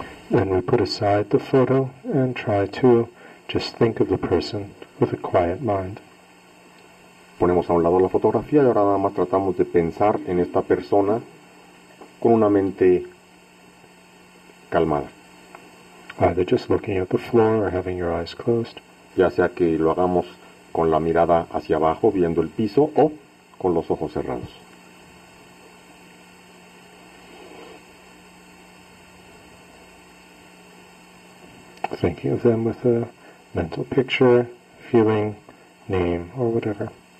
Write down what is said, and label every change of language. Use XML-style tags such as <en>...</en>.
<en>Then we put aside the photo and try to just think of the person with a quiet mind.</en> <es>Ponemos a un lado la fotografía y ahora nada más tratamos de pensar en esta persona con una mente calmada.</es> <en>Either just looking at the floor or having your eyes closed.</en> <es>Ya sea que lo hagamos con la mirada hacia abajo, viendo el piso, o con los ojos cerrados.</es> <en>Thinking of them with a mental picture, feeling, name, or whatever.</en>